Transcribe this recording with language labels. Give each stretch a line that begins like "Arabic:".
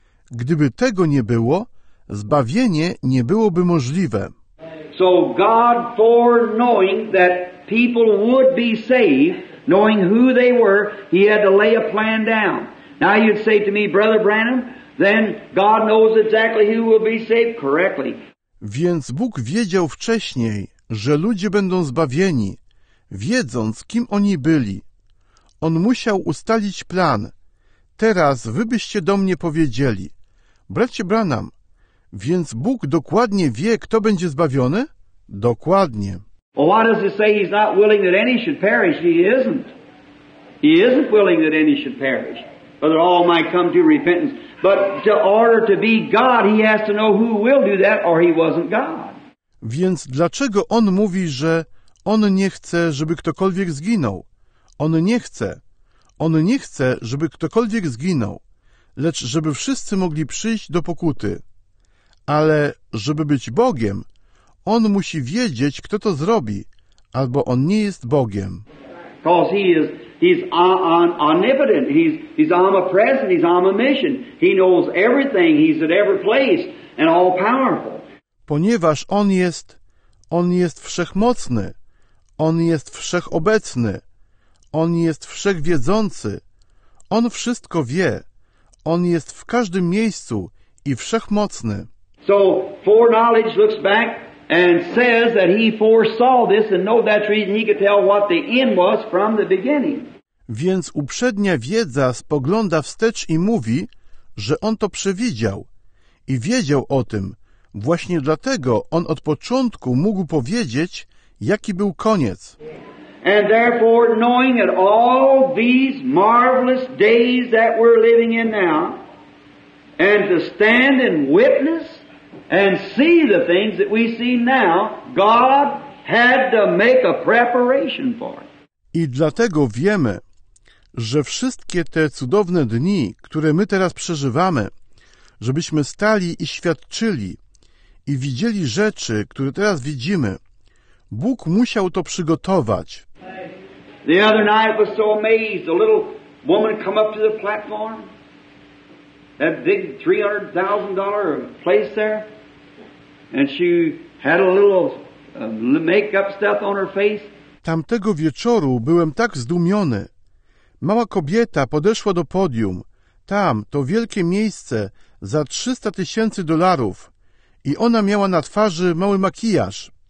Polish: Gdyby tego nie było, zbawienie nie byłoby możliwe.
English: So God foreknowing that people would be saved, knowing who they were, he had to lay a plan down. Now you'd say to me, Brother Branham, then God knows exactly who will be saved correctly.
Polish: Więc Bóg wiedział wcześniej, że ludzie będą zbawieni, wiedząc, kim oni byli. On musiał ustalić plan. Teraz wy byście do mnie powiedzieli, bracie Branham, więc Bóg dokładnie wie, kto będzie zbawiony? Dokładnie.
English: Well, why does it say he's not willing that any should perish? He isn't. He isn't willing that any should perish, or that all might come to repentance. But to order to be God, he has to know who will do that, or he wasn't God.
Polish: Więc dlaczego on mówi, że on nie chce, żeby ktokolwiek zginął? On nie chce. On nie chce, żeby ktokolwiek zginął, lecz żeby wszyscy mogli przyjść do pokuty. Ale żeby być Bogiem, on musi wiedzieć, kto to zrobi, albo on nie jest Bogiem.
English: Because he's omnipotent, he's omnipresent, he's omniscient. He knows everything, he's at every place and all powerful.
Polish: Ponieważ on jest wszechmocny, on jest wszechobecny, on jest wszechwiedzący, on wszystko wie, on jest w każdym miejscu i wszechmocny.
English: So foreknowledge looks back and says that he foresaw this and know that reason he could tell what the end was from the beginning.
Polish: Więc uprzednia wiedza spogląda wstecz i mówi, że on to przewidział i wiedział o tym. Właśnie dlatego on od początku mógł powiedzieć, jaki był koniec.
English: And therefore, knowing that all these marvelous days that we're living in now, and to stand and witness and see the things that we see now, God had to make a preparation for it.
Polish: I dlatego wiemy, że wszystkie te cudowne dni, które my teraz przeżywamy, żebyśmy stali i świadczyli i widzieli rzeczy, które teraz widzimy, Bóg musiał to przygotować.
English: The other night was so amazed. A little woman come up to the platform. that big $300,000 place there, and she had a little makeup stuff on her face.
Polish: Tamtego wieczoru byłem tak zdumiony. Mała kobieta podeszła do podium. Tam, to wielkie miejsce, za $300,000. I ona miała na twarzy mały makijaż.